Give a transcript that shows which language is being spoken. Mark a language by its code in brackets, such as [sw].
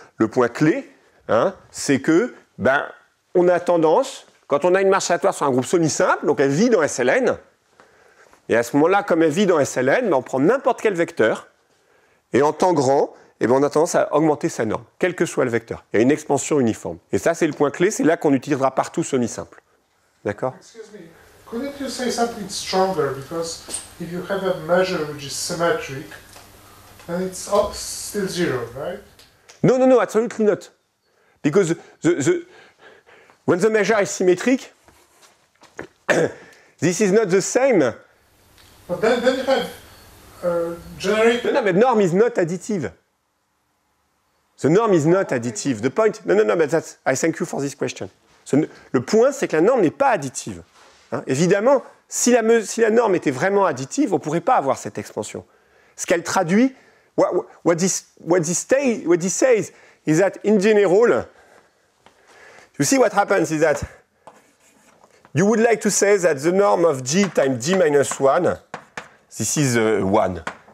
[fr] Le point clé, hein, c'est que, ben, on a tendance, quand on a une marche aléatoire sur un groupe semi-simple, donc elle vit dans SLN, et à ce moment-là, comme elle vit dans SLN, ben, on prend n'importe quel vecteur, et en temps grand, eh bien, on a tendance à augmenter sa norme, quel que soit le vecteur. Il y a une expansion uniforme. Et ça, c'est le point clé, c'est là qu'on utilisera partout semi-simple. D'accord ? [en] Excuse me, Couldn't you say something stronger? Because if you have a measure which is symmetric, then it's still zero, right? No, absolutely not. Because when the measure is symmetric, this is not the same. But then you have generic. No, but norm is not additive. The norm is not additive. The point. No, but that's. I thank you for this question. [fr] Le point, c'est que la norme n'est pas additive. Hein? Évidemment, si la norme était vraiment additive, on ne pourrait pas avoir cette expansion. Ce qu'elle traduit, [en] what this says, is that in general, you see what happens is that you would like to say that the norm of G times D minus 1, this is 1.